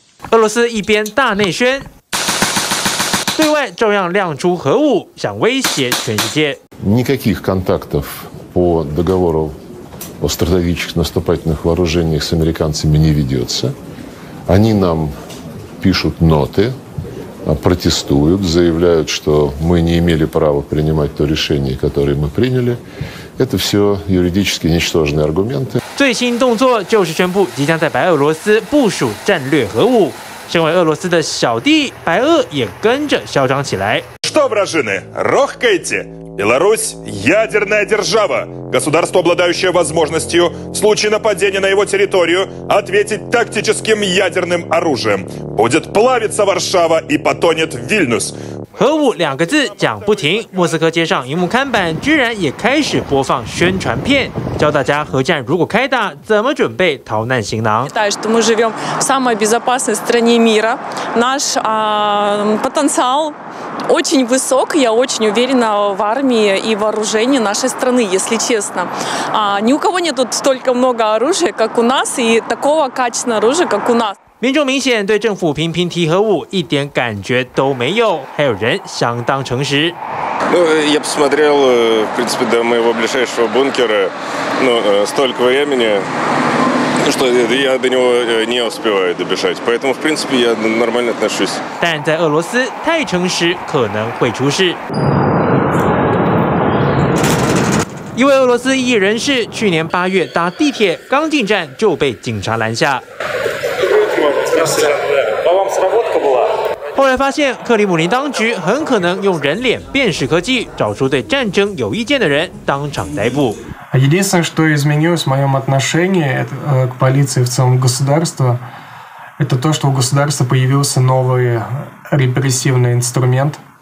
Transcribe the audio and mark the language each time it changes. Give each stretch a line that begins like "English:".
Chinese: 俄罗斯一边大内宣，对外照样亮出核武，想威胁全世界。
Russian: никаких контактов по договору о стратегических наступательных вооружениях с американцами не ведется。 Они нам пишут ноты, протестуют, заявляют, что мы не имели права принимать то решение, которое мы приняли. Это все юридически ничтожные аргументы.
Chinese: 最新动作就是宣布即将在白俄罗斯部署战略核武。身为俄罗斯的小弟，白俄也跟着嚣张起来。
Russian: Что, вражины, рохкайте! Беларусь – ядерная держава, государство, обладающее возможностью в случае нападения на его территорию ответить тактическим ядерным оружием. Будет плавиться Варшава и потонет Вильнюс.
Chinese: 核武两个字讲不停，莫斯科街上荧幕看板居然也开始播放宣传片，教大家核战如果开打，怎么准备逃难行囊。
Russian: считаю, что мы живем в самой безопасной стране мира. Наш потенциал очень высок. Я очень уверена в армии и вооружении нашей страны, если честно. Ни у кого нет тут столько много оружия, как у нас, и такого качественного оружия, как у нас.
Chinese: 民众明显对政府频频提核武一点感觉都没有，还有人相当诚实。
Russian: Ну, я посмотрел, в принципе, до моего ближайшего бункера, ну, столько времени, что я до него не успеваю добежать. Поэтому, в принципе, я нормально отношусь.
Chinese: 但在俄罗斯，太诚实可能会出事。一位俄罗斯艺人是去年8月搭地铁刚进站就被警察拦下。后来发现，克里姆林当局很可能用人脸辨识科技找出对战争有意见的人，当场逮捕。
Russian: Единственное, что изменилось в моем отношении к полиции в целом государства, это то, что у государства появился новый репрессивный инструмент.